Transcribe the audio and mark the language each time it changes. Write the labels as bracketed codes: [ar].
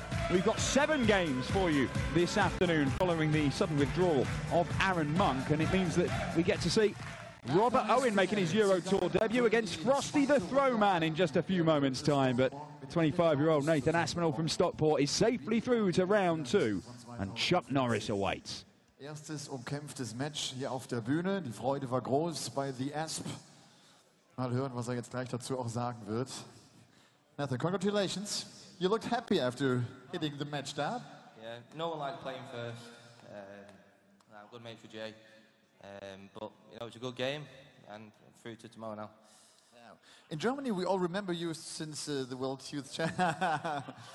[en] We've got seven games for you this afternoon following the sudden withdrawal of Aaron Monk, and it means that we get to see Robert Owen making his Euro Tour debut against Frosty the Throw Man in just a few moments' time. But 25-year-old Nathan Aspinall from Stockport is safely through to round two, and Chuck Norris awaits. [de] Erstes umkämpftes Match hier auf der Bühne. Die Freude war groß bei The Asp. Mal hören, was jetzt gleich dazu auch sagen wird. [en] Nathan, congratulations. You looked happy after hitting the match dart. Yeah, No one liked playing first. I'm good mate for Jay. But, you know, it was a good game and through to tomorrow now. In Germany, we all remember you since the World Youth Championship.